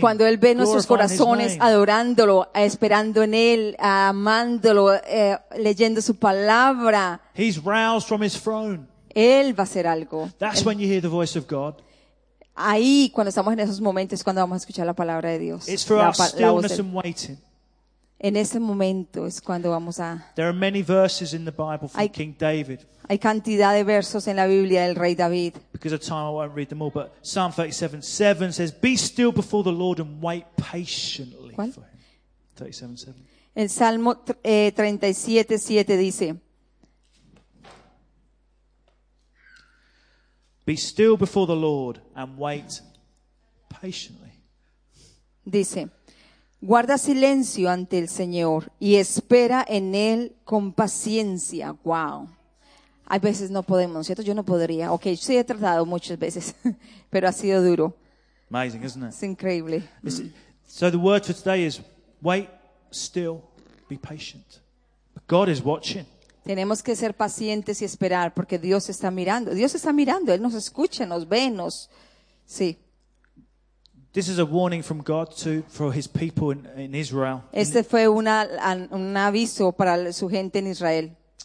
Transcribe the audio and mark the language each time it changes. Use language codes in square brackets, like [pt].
[es] Cuando él ve nuestros corazones adorándolo, esperando en él, amándolo, leyendo su palabra. [en] He's roused from his throne. [es] Él va a hacer algo. [en] That's [es] Él. [en] When you hear the voice of God. [es] Ahí, cuando estamos en esos momentos, es cuando vamos a escuchar la palabra de Dios. [en] It's for our stillness and waiting. [es] En ese momento es cuando vamos a. [en] There are many verses in the Bible from King David. [es] Hay cantidad de versos en la Biblia del rey David. [en] Because of time, I won't read them all. But Psalm 37:7 says, "Be still before the Lord and wait patiently [es] ¿Cuál? [en] For Him." 37:7. [es] El Salmo 37:7 dice. [en] Be still before the Lord and wait patiently. [es] Dice, guarda silencio ante el Señor y espera en Él con paciencia. Wow. Hay veces no podemos, ¿cierto? Yo no podría. Ok, sí he tratado muchas veces, pero ha sido duro. [en] Amazing, isn't it? [es] Es increíble. [en] So the word for today is wait, still, be patient. But God is watching. [es] Tenemos que ser pacientes y esperar porque Dios está mirando. Dios está mirando, Él nos escucha, nos ve, nos... Sí. [en] This is a warning from God to for His people in Israel. [es] Este fue un aviso para su gente en Israel.